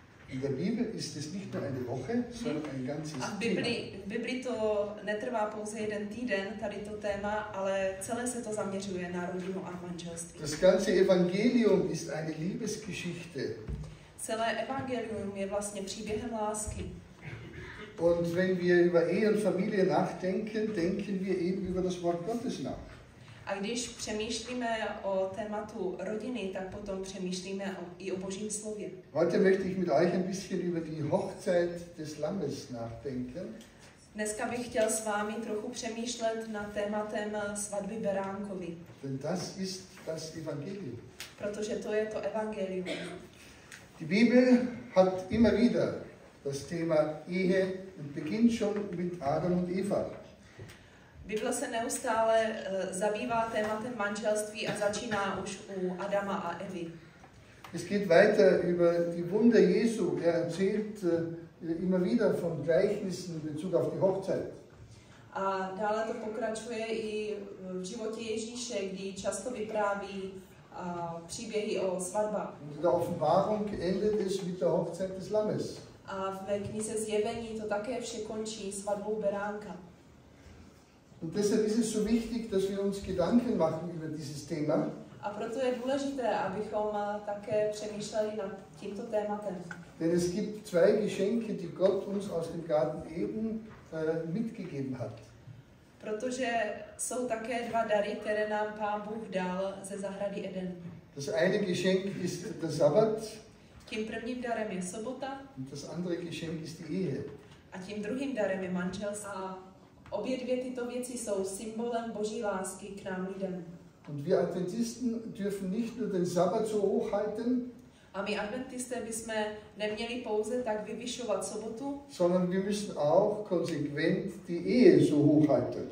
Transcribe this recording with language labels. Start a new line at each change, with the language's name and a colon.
German: In der Bibel ist es nicht nur eine Woche, sondern ein ganzes Thema.
Czech: Bibli to netrvá pouze jeden týden, tady to téma, ale celé se to zaměřuje na rodinu a manželství.
German: Das ganze Evangelium ist eine Liebesgeschichte.
Czech: Celé evangelium je vlastně příběhem lásky.
German: Und wenn wir über Ehe und Familie nachdenken, denken wir eben über das Wort Gottes nach.
Czech: A když přemýšlíme o tématu rodiny, tak potom přemýšlíme i o Božím slově.
German: Heute möchte ich mit euch ein bisschen über die Hochzeit des Lammes nachdenken.
Czech: Dneska bych chtěl s vámi trochu přemýšlet nad tématem svatby Beránkovi.
German: Denn das ist das Evangelium.
Czech: Protože to je to evangelium.
German: Die Bibel hat immer wieder das Thema Ehe und beginnt schon mit Adam und Eva.
Czech: Bible se neustále zabývá tématem manželství a začíná už u Adama a Evy.
German: Es geht weiter über die Wunder Jesu. Er erzählt immer wieder von Gleichnissen in Bezug auf die Hochzeit.
Czech: A dále to pokračuje i v životě Ježíše, kdy často vypráví příběhy o svatbách.
German: In der Offenbarung endet es mit der Hochzeit des Lammes.
Czech: A ve knize Zjevení to také vše končí svatbou Beránka.
German: Und deshalb ist es so wichtig, dass wir uns Gedanken machen über dieses Thema.
Czech: A proto je důležité, abychom také přemýšleli nad tímto tématem.
German: Denn es gibt zwei Geschenke, die Gott uns aus dem Garten Eden mitgegeben hat.
Czech: Protože jsou také dva dary, které nám Pán Bůh dal ze zahrady Eden.
German: Das eine Geschenk ist der Sabbat.
Czech: Tím prvním darem je sobota.
German: Und das andere Geschenk ist die Ehe.
Czech: A tím druhým darem je manželství. Obě dvě tyto věci jsou symbolem Boží lásky k nám lidem.
German: Und wir Adventisten dürfen nicht nur den Sabbat so hochhalten.
Czech: A my Adventisté bychom neměli pouze tak vyvyšovat sobotu,
German: sondern wir müssen auch konsequent die Ehe so hochhalten.